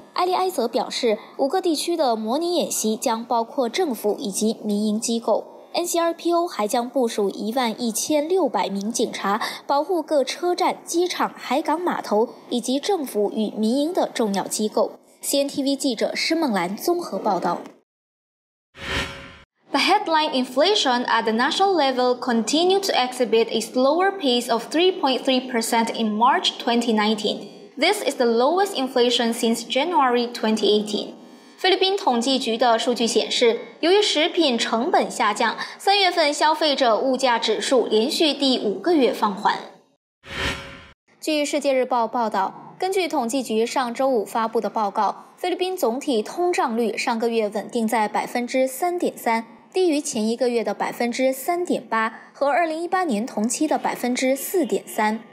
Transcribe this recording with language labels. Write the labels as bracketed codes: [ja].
[zh] 埃利埃泽表示，五个地区的模拟演习将包括政府以及民营机构。 NCRPO 还将部署11600名警察，保护各车站、机场、海港码头以及政府与民营的重要机构。 CNTV 记者施梦兰综合报道。 [en] The headline inflation at the national level continued to exhibit a slower pace of 3.3% in March 2019. This is the lowest inflation since January 2018. [zh] 菲律宾统计局的数据显示，由于食品成本下降，三月份消费者物价指数连续第五个月放缓。据《世界日报》报道，根据统计局上周五发布的报告，菲律宾总体通胀率上个月稳定在 3.3%， 低于前一个月的 3.8% 和2018年同期的 4.3%。